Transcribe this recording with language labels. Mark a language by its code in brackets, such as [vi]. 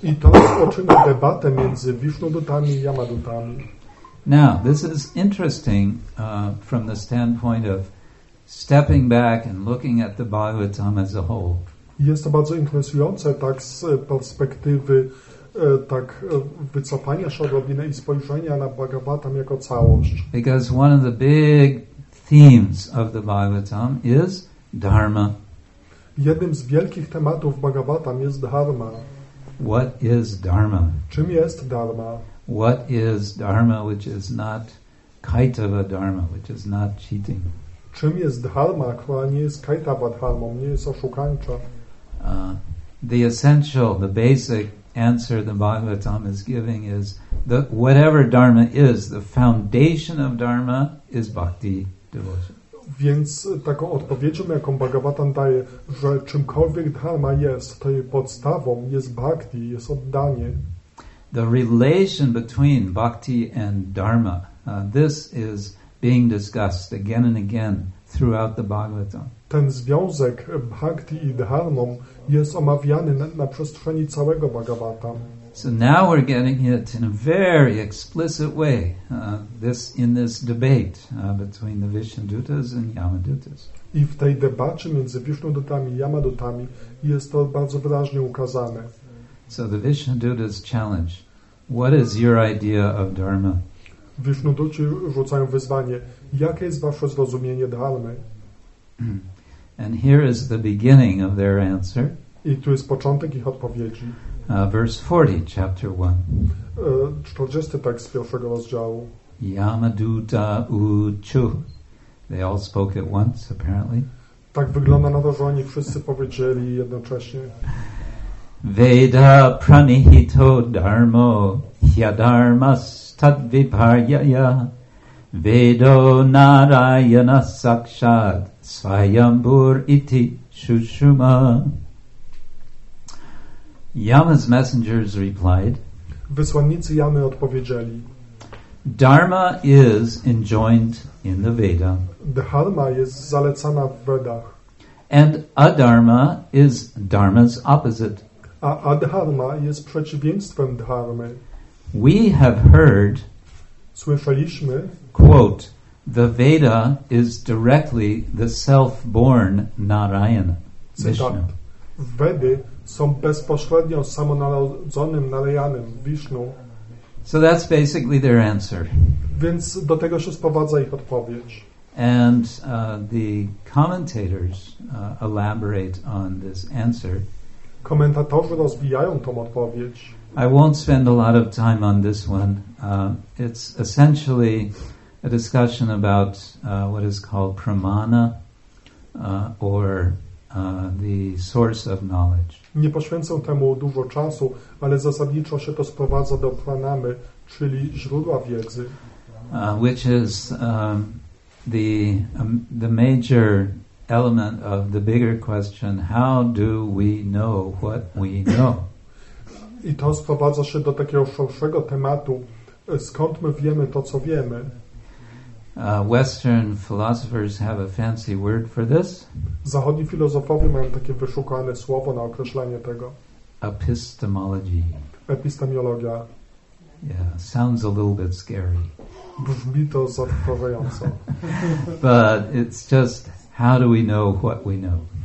[pl] I to rozpoczyna debatę między Vishnudutami i Yamadutami. [en] Now, this is interesting from the standpoint of stepping back and looking at the Bhagavatam as a whole. [pl] Jest to bardzo interesujące tak z perspektywy tak wycofania się odrobinę i spojrzenia na Bhagavatam jako całość. [en] Because one of the big themes of the Bhagavatam is dharma. [pl] Jednym z wielkich tematów Bhagavatam jest dharma. [en] What is dharma? [pl] Czym jest dharma? [en] What is dharma which is not kaitava dharma, which is not cheating? [pl] Czym jest dharma, która nie jest kaitava dharma, nie jest oszukańcza? [en] The essential, the basic answer the Bhagavatam is giving is the whatever dharma is, the foundation of dharma is bhakti. [pl] Więc taką odpowiedzią, jaką Bhagavatam daje, że czymkolwiek dharma jest, to jej podstawą jest bhakti, jest oddanie. [en] The relation between bhakti and dharma, this is being discussed again and again throughout the Bhagavatam. [pl] Ten związek bhakti i dharmą jest omawiany na przestrzeni całego Bhagavatam. [en] So now we're getting it in a very explicit way, in this debate between the Vishnudutas and Yamadutas. [pl] I w tej debacie między Vishnudutami i Yamadutami jest to bardzo wyraźnie ukazane. [en] So the Vishnudutas challenge, what is your idea of dharma? [pl] Vishnuduci rzucają wyzwanie, jakie jest wasze zrozumienie dharmy? [en] And here is the beginning of their answer. [pl] I tu jest początek ich odpowiedzi. [en] Verse 40, chapter 1. [pl] 40 tekst pierwszego rozdziału. [sa] Yamaduta uchu. [en] They all spoke at once, apparently. [pl] Tak wygląda na to, że oni wszyscy powiedzieli jednocześnie. [sa] Veda pranihito dharmo hyadharmas tadviparyaya Vedo narayana sakshad svayambhur iti shushuma. [en] Yama's messengers replied, [pl] Wysłannicy Yamy odpowiedzieli, [en] Dharma is enjoined in the Veda. [pl] Dharma jest zalecana w Vedach. [en] And adharma is dharma's opposite. [pl] A adharma jest przeciwieństwem dharmy. [en] We have heard, [pl] słyszeliśmy, [en] quote, the Veda is directly the self-born Narayana. [pl] Vedy są bezpośrednio samonarodzonym Narayanem, Vishnu. [en] So that's basically their answer. [pl] Więc do tego się sprowadza ich odpowiedź. [en] And the commentators elaborate on this answer. [pl] Komentatorzy rozwijają tą odpowiedź. [en] I won't spend a lot of time on this one. It's essentially a discussion about what is called pramana or the source of knowledge. [pl] Nie poświęcę temu dużo czasu, ale zasadniczo się to sprowadza do pranamy, czyli źródła wiedzy. [en] Which is the major element of the bigger question, how do we know what we know? [pl] I to sprowadza się do takiego szerszego tematu, skąd my wiemy to, co wiemy. [en] Western philosophers have a fancy word for this. [pl] Zachodni filozofowie mają takie wyszukane słowo na określenie tego. [en] Epistemology. [pl] Epistemiologia. [en] Yeah, sounds a little bit scary. [pl] Brzmi to zatrważająco. [en] But it's just, how do we know what we know?